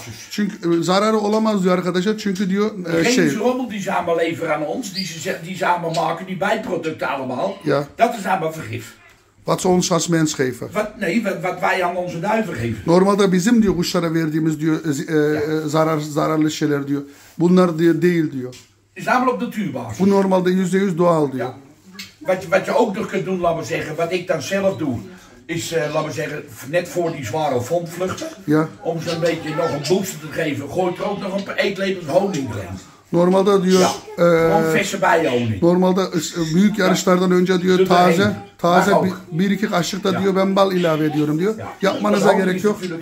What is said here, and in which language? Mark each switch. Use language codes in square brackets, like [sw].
[tr] Çünkü zararı olamaz diyor arkadaşlar. Çünkü diyor şey. [nl] Geen rommel die ze allemaal leveren aan ons. Die ze allemaal maken. Die bijproducten allemaal. Ja. Dat is allemaal vergif. Wat ze ons als mens geven. Wat wij aan onze duiven geven. [tr] Normalde bizim diyor kuşlara verdiğimiz diyor zararlı şeyler diyor. Bunlar diyor, değil diyor. [nl] Is allemaal op de natuurbasis. [tr] Bu normalde %100 doğal diyor. [nl] Ja. Wat je ook nog kunt doen, laat maar zeggen. Wat ik dan zelf doe. Is, laten we zeggen, net voor die zware fondvluchten. Ja. Om ze een beetje nog een booster te geven, gooi er ook nog een paar eetlepels honing erin. [tr] Normalde diyor... Ya, normalde büyük yarışlardan önce diyor taze, taze bir iki kaşık da diyor ben bal ilave ediyorum diyor. Ya. Yapmanıza gerek yok.